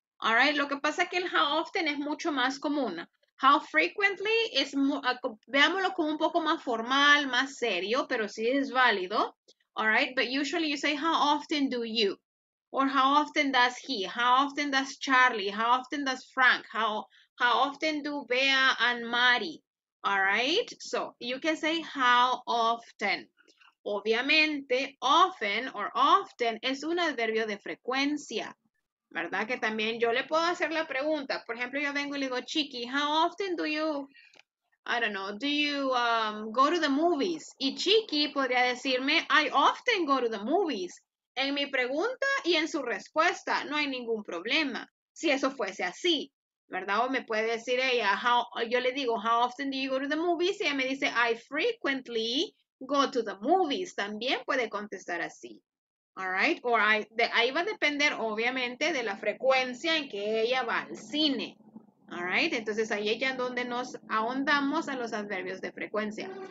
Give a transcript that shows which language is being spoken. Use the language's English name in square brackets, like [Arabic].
[English] All right, [Spanish] lo que pasa es que el how often es mucho más común. How frequently es, veámoslo como un poco más formal, más serio, pero sí es válido. [English] All right, but usually you say, how often do you? Or how often does he? How often does Charlie? How often does Frank? How often do Bea and Mari? All right, so you can say, how often? [Spanish] Obviamente, often or often es un adverbio de frecuencia, ¿verdad? Que también yo le puedo hacer la pregunta. Por ejemplo, yo vengo y le digo, [English] Chiqui, how often do you, I don't know, do you go to the movies? [Spanish] Y Chiqui podría decirme, [English] I often go to the movies. [Spanish] En mi pregunta y en su respuesta no hay ningún problema, si eso fuese así, ¿verdad? O me puede decir ella, yo le digo, [English] how often do you go to the movies? [Spanish] Y ella me dice, [English] I frequently go to the movies, [Spanish] también puede contestar así, [English] all right, [Spanish] or ahí va a depender obviamente de la frecuencia en que ella va al cine, all right, entonces ahí ya en donde nos ahondamos a los adverbios de frecuencia.